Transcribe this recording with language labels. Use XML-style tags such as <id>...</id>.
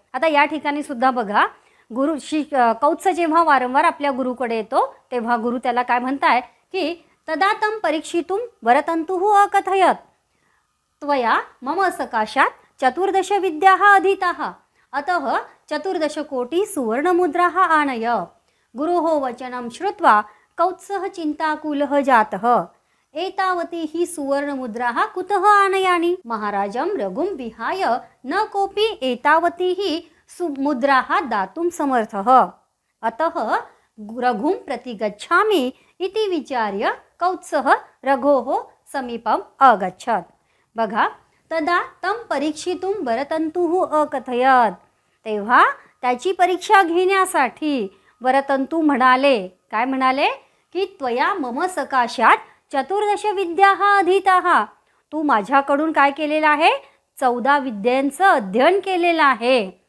<mr>आता या ठिकाणी सुद्धा बघा, गुरु कौत्स जेव्हा वारंवार आपल्या गुरुकडे येतो तेव्हा गुरु त्याला काय म्हणताय की</mr> <sa>तदातम परीक्षितुम वरतंतुः अकथयत त्वया मम सकाशात चतुर्दश विद्या अधीताः अतः चतुर्दश कोटी सुवर्ण मुद्रा आनय। गुरुः वचनं श्रुत्वा कौत्सः चिंताकुलः जातः एतावती ही सुवर्ण मुद्रा कुतः आनयानि महाराजं रघुं विहाय न कोऽपि एतावती ही मुद्रा दातुं समर्थः अतः रघुं प्रति गच्छामि इति विचार्य कौत्सः रघोः समीपम् अगच्छत।</sa> <mr>बघा,</mr> <sa>तदा तं परीक्षितुं वरतंतुः अकथयत,</sa> <mr>तेव्हा त्याची परीक्षा घेण्यासाठी वरतंतु म्हणाले, काय म्हणाले की</mr> <sa>त्वया मम सकाशात चतुर्दश विद्या अधीताः,</sa> <mr>तू माझ्याकडून काय केलेलं आहे, 14 विद्यांचं अध्ययन केलेलं आहे।</mr>